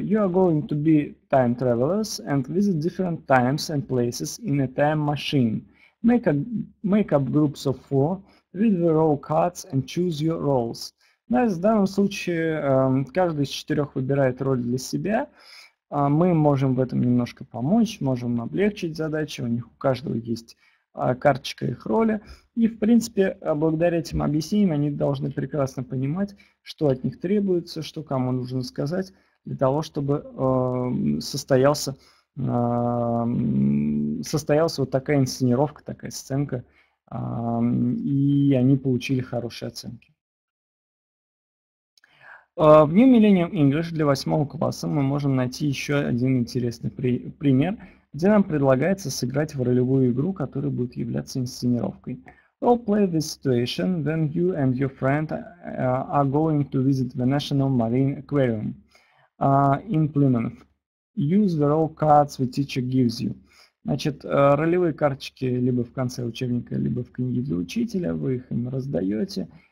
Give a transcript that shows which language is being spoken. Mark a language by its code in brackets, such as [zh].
[en] You are going to be time travelers and visit different times and places in a time machine. Make up groups of four, read the role cards and choose your roles. [ru] Да, в данном случае каждый из четырех выбирает роль для себя. Мы можем в этом немножко помочь, можем облегчить задачу. У них у каждого есть карточка их роли. И, в принципе, благодаря этим объяснениям они должны прекрасно понимать, что от них требуется, что кому нужно сказать, для того, чтобы состоялась вот такая инсценировка, такая сценка, и они получили хорошие оценки. В New Millennium English для 8 класса мы можем найти еще один интересный пример, где нам предлагается сыграть в ролевую игру, которая будет являться инсценировкой. [en] Role play this situation, then you and your friend are going to visit the National Marine Aquarium in Plymouth. Use the role cards the teacher gives you. [ru] Значит, ролевые карточки либо в конце учебника, либо в книге для учителя, вы их им раздаете.